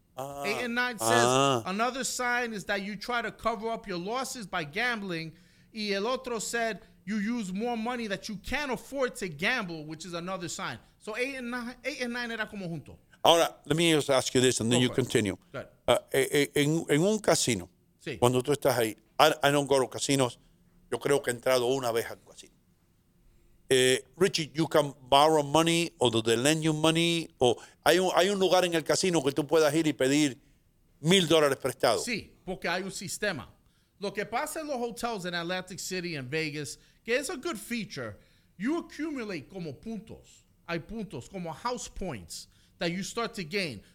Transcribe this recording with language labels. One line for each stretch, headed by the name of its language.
English: 8 and 9 says another sign is that you try to cover up your losses by gambling. Y el otro said you use more money that you can't afford to gamble, which is another sign. So 8 and 9 era como junto. Ahora, let me just ask you this and then you continue.
Spanish: En un casino, sí.
English: Cuando tú estás ahí, I don't go to casinos.
Spanish: Yo creo que he entrado una vez algo así.
English: Richie, you can borrow money, or do they lend you money?
Spanish: O hay un lugar en el casino que tú puedas ir y pedir $1,000 prestado. Sí, porque hay un sistema. Lo que pasa en los hoteles en Atlantic City en Vegas, que es a good feature, you accumulate como puntos.
English: Hay puntos como house points that you start to gain.